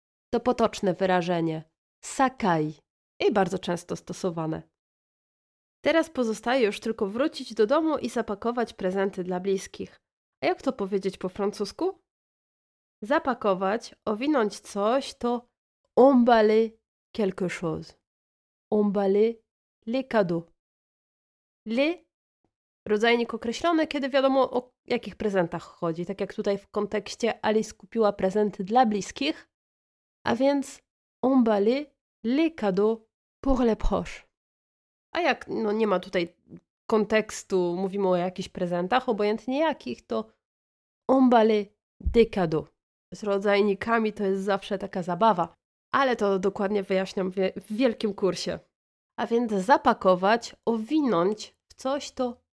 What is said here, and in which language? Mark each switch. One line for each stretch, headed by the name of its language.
Polish: To potoczne wyrażenie.
French: Ça caille.
Polish: I bardzo często stosowane. Teraz pozostaje już tylko wrócić do domu i zapakować prezenty dla bliskich. A jak to powiedzieć po francusku? Zapakować, owinąć coś to
French: emballer quelque chose. Emballer les cadeaux.
Polish: Les, rodzajnik określony, kiedy wiadomo o jakich prezentach chodzi, tak jak tutaj w kontekście Alice kupiła prezenty dla bliskich, a więc
French: emballer les cadeaux pour les proches.
Polish: A jak no, nie ma tutaj kontekstu, mówimy o jakichś prezentach, obojętnie jakich, to
French: emballer des cadeaux.
Polish: Z rodzajnikami to jest zawsze taka zabawa, ale to dokładnie wyjaśniam w wielkim kursie. A więc zapakować, owinąć w coś to